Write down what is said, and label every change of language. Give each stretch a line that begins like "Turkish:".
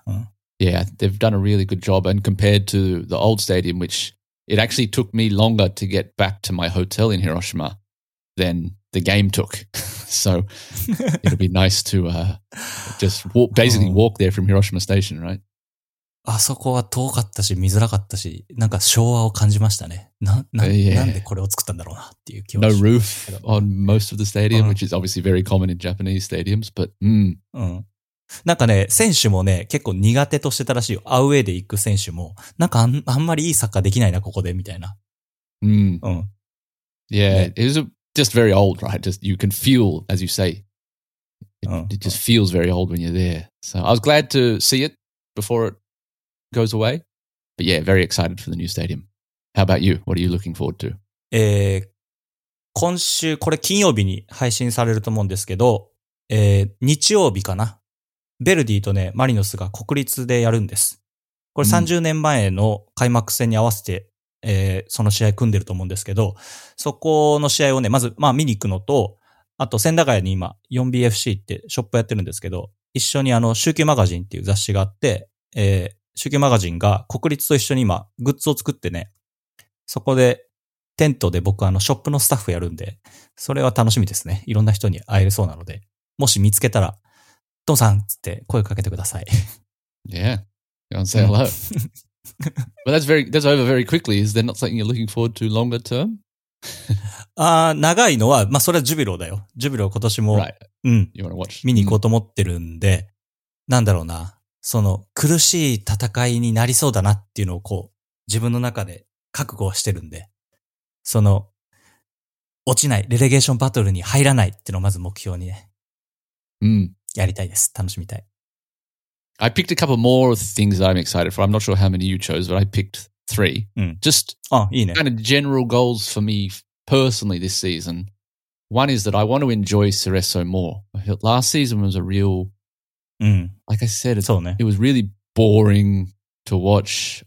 English: Yeah. うん、 yeah, they've done a really good job. And compared to the old stadium, which it actually took me longer to get back to my hotel in Hiroshima than the game took. So it'll be nice to just walk, basically walk there from Hiroshima Station, right?
Japanese: あそこは遠かったし、見づらかったし、なんか昭和を感じましたね。なんでこれを作ったんだろうなっていう気持ち。
English: No roof on most of the stadium, which is obviously very common in Japanese stadiums, but うん。
Japanese: なんかね、選手もね、結構苦手としてたらしいよ。アウェイで行く選手も、なんかあんまりいいサッカーできないな、ここで、みたいな。
English: Yeah, it was aJust very old, right? Just you can feel, as you say, it just feels very old when you're there. So I was glad to see it before it goes away. But yeah, very excited for the new stadium. How about you? What are you looking forward to?
Japanese: 今週、これ金曜日に配信されると思うんですけど、日曜日かな。ヴェルディとね、マリノスが国立でやるんです。これ30年前の開幕戦に合わせて、その試合組んでると思うんですけど、そこの試合をね、まず、まあ見に行くのと、あと千駄ヶ谷に今、4BFC ってショップやってるんですけど、一緒にあの、週休マガジンっていう雑誌があって、週休マガジンが国立と一緒に今、グッズを作ってね、そこで、テントで僕あの、ショップのスタッフやるんで、それは楽しみですね。いろんな人に会えるそうなので、もし見つけたら、トムさんつって声かけてください。
English: Yeah. You wanna say hello? But that's over very quickly. Is there not something you're looking forward to longer term?
Japanese: 長いのは、まあ、それはジュビロだよ。ジュビロ今年も、
English: right. うん、 you wanna watch.
Japanese: 見に行こうと思ってるんで、なんだろうな、その苦しい戦いになりそうだなっていうのをこう、自分の中で覚悟はしてるんで、その、落ちない、レレゲーションバトルに入らないっていうのをまず目標にね。うん。やりたいです。楽しみたい。
English: I picked a couple more things that I'm excited for. I'm not sure how many you chose, but I picked three. うん。 Just kind of general goals for me personally this season. One is that I want to enjoy Cerezo more. Last season was a real, like I said, it was really boring to watch.